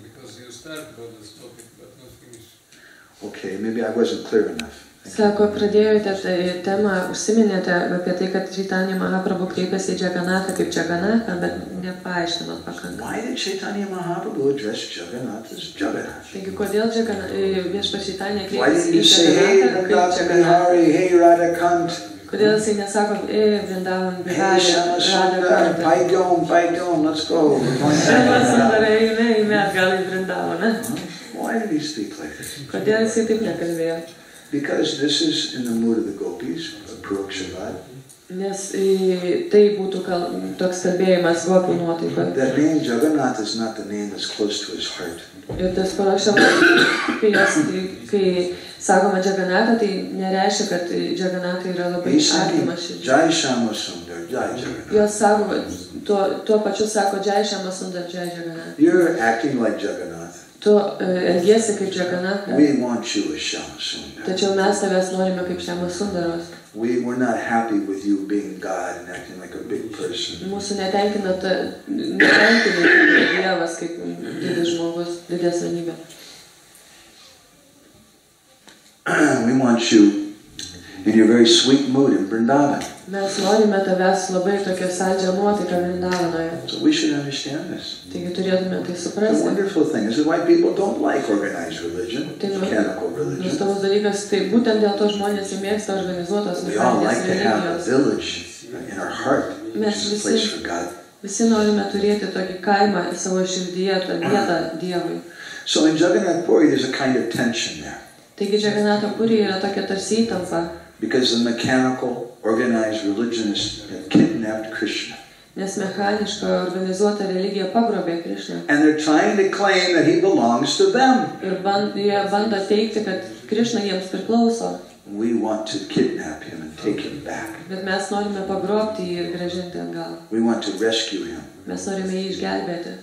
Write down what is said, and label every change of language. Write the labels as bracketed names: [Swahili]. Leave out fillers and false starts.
[English] Because you started about this topic, but not finished. Okay, maybe I wasn't clear enough. [Lithuanian] Sako, pradėjote temą, užsiminėte apie tai, kad Čaitanya Mahaprabhu kreipėsi į Džaganatą kaip Džaganatą, bet nepaaiškino pakankamai. [English] Why did Čaitanya Mahaprabhu address Džaganatą as Džaganatą? [Lithuanian] Taigi, kodėl viešpa Čaitanya kreipėsi į Džaganatą kaip Džaganatą? Kodėl jisai nesako, [English] Vrindavan Bihari, Radhakant? Paidom, let's go. [Lithuanian] Eime atgal į Vrindavaną. [English] Why did he speak like this? [Lithuanian] Kodėl jisai taip nekalbėjo? [English] Because this is in the mood of the gopis, Parokshavad. [Lithuanian] Nes tai būtų toks kalbėjimas gopių nuotaikoje. [English] That name Jagannath is not the name that's close to his heart. [Lithuanian] Ir tas Parokshavad, kai sakoma Jagannatha, tai nereiškia, kad Jagannatha yra labai artimas širdžiai. [English] Jai Shama Sundar, Jai Jagannatha. [Lithuanian] Jos sako, tuo pačiu sako Jai Shama Sundar, Jai Jagannatha. [English] You're acting like Jagannath. [Lithuanian] Tu elgiesi kaip Džaganatha. [English] We want you as Shama Sundara. [Lithuanian] Tačiau mes tavęs norime kaip Shama Sundaros. [English] We're not happy with you being God and acting like a big person. [Lithuanian] Mūsų netenkina Dievas kaip didis žmogus, didis vienybė. [English] We want you in your very sweet mood in Vrindavan. [Lithuanian] Mes norime tavęs labai tokio saldžio nuotaiką Vrindavanoje. [English] So we should understand this. [Lithuanian] Taigi turėtume tai suprasti. [English] It's a wonderful thing. This is why people don't like organized religion, mechanical religion. [Lithuanian] Nustavus dalykas, tai būtent dėl to žmonės mėgsta organizuotos religijos. Visi norime turėti tokį kaimą savo širdyje, tą vietą Dievui. [English] So in Jagannath Puri there's a kind of tension there. [Lithuanian] Taigi Jagannatha Puri yra tokia tarsi įtampa. [English] Because the mechanical, organized religionists have kidnapped Krishna. [Lithuanian] Nes mechaniška organizuota religija pagrobė Krishna. [English] And they're trying to claim that he belongs to them. [Lithuanian] Ir jie bando teikti, kad Krishna jiems priklauso. [English] We want to kidnap him and take him back. [Lithuanian] Bet mes norime pagrobti jį ir grąžinti atgal. [English] We want to rescue him. [Lithuanian] Mes norime jį išgelbėti.